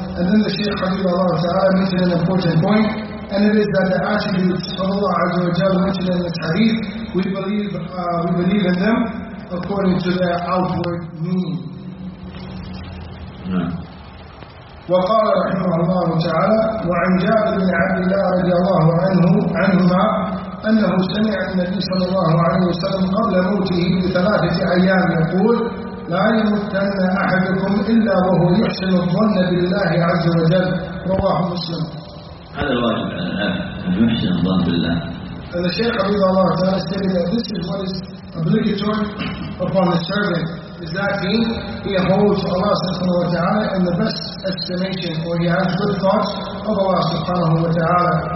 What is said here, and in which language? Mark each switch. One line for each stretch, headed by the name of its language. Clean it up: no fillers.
English: And then the Shaykh Habib Allah ta'ala mentioned an important point, and it is that the attributes of Allah azza wa jalla mentioned in this hadith, we believe in them according to their outward meaning.
Arabic: وقال رحمه الله تعالى وعن جابر بن عبد الله رضي الله عنهما أنه سمع النبي صلى الله عليه وسلم قبل موته بثلاثة أيام يقول لا يمتن أحدكم إلا وهو يحسن الظن بالله عز وجل. رواه مسلم. هذا الواجب على الأب أن يحسن الظن بالله. الشيخ حبيب الله تعالى
English: said that this is what is obligatory upon the servant. Is that mean he holds Allah subhanahu wa ta'ala in the best estimation, or he has good thoughts of Allah subhanahu wa ta'ala?